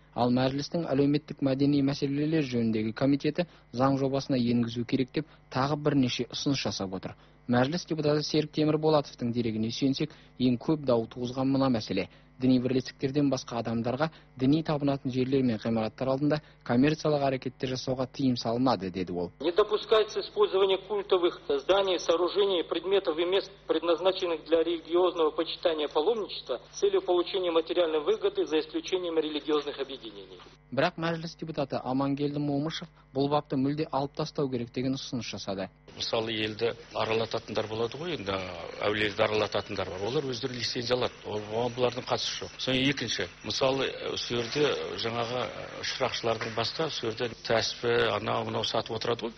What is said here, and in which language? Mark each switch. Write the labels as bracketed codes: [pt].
[kk] Ал мәжілістің әлеуметтік мәдени мәселелер жөніндегі комитеті заң жобасына енгізу керек деп тағы бірнеше ұсыныс жасап отыр. Мәжіліс депутаты Серік Темірболатовтың дерегіне сүйенсек, ең көп дау туғызған мына мәселе. Діни бірлестіктерден басқа адамдарға діни табынатын жерлер мен ғимараттар алдында коммерциялық әрекеттер жасауға тыйым салынады, деді ол. [ru] Не допускается использование культовых зданий, сооружений, предметов и мест, предназначенных для религиозного почитания паломничества, с целью получения материальной выгоды за исключением религиозных объединений. [kk] Бірақ мәжіліс депутаты Амангелді Момышев бұл бапты мүлде алып тастау керек деген ұсыныс жасады. Мысалы, елді аралататындар болады ғой, енді әулиелерді аралататындар бар. Олар өздері лицензия алады. Оған бұлардың қатысы жоқ. Сонымен екінші, мысалы, сөрде жаңағы шырақшылардың басқа сөрде тәспі, анау мынау сатып отырады ғой.